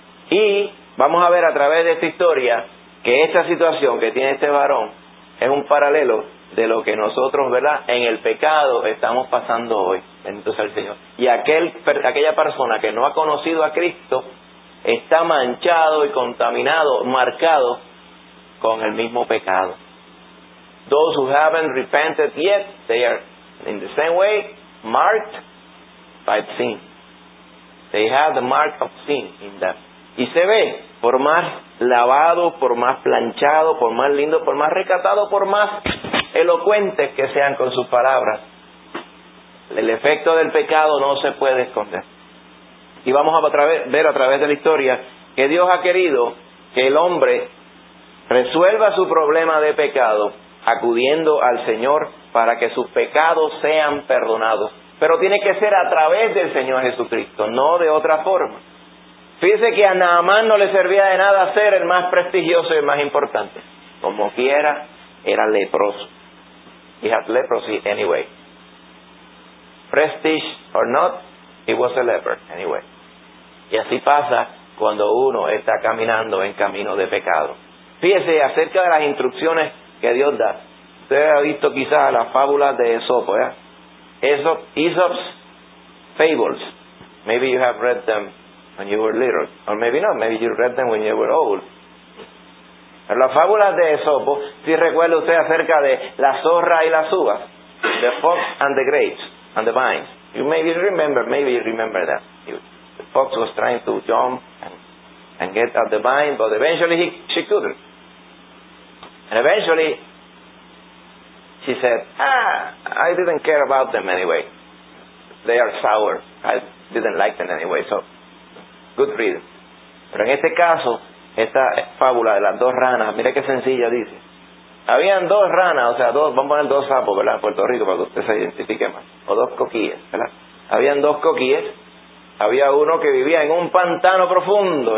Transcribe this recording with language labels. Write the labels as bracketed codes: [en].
[es] Y vamos a ver a través de esta historia que esta situación que tiene este varón es un paralelo de lo que nosotros, ¿verdad?, en el pecado estamos pasando hoy. Bendito sea el Señor. Y aquella persona que no ha conocido a Cristo está manchado y contaminado, marcado con el mismo pecado. [en] Those who haven't repented yet, they are in the same way marked by sin. They have the mark of sin in them. [es] Y se ve, por más lavado, por más planchado, por más lindo, por más recatado, por más elocuentes que sean con sus palabras, el efecto del pecado no se puede esconder. Y vamos a ver a través de la historia que Dios ha querido que el hombre resuelva su problema de pecado acudiendo al Señor para que sus pecados sean perdonados. Pero tiene que ser a través del Señor Jesucristo, no de otra forma. Fíjese que a Naamán no le servía de nada ser el más prestigioso y el más importante. Como quiera, era leproso. [en] He had leprosy anyway. Prestige or not, He was a leper, anyway. [es] Y así pasa cuando uno está caminando en camino de pecado. Fíjese acerca de las instrucciones que Dios da. Usted ha visto quizás las fábulas de Esopo, ¿eh? [en] Aesop's Fables. Maybe you have read them when you were little. Or maybe not. Maybe you read them when you were old. [es] Pero las fábulas de Esopo, si recuerda usted acerca de la zorra y las uvas. [en] The fox and the grapes and the vines. You maybe remember, that. The fox was trying to jump and get at the vine, but eventually she couldn't. And eventually she said, I didn't care about them anyway. They are sour. I didn't like them anyway, so good reason. [es] Pero en este caso, esta fábula de las dos ranas, mira qué sencilla dice. Habían dos ranas, o sea, dos, vamos a poner dos sapos, ¿verdad? En Puerto Rico, para que usted se identifique más. O dos coquillas, ¿verdad? Habían dos coquillas. Había uno que vivía en un pantano profundo.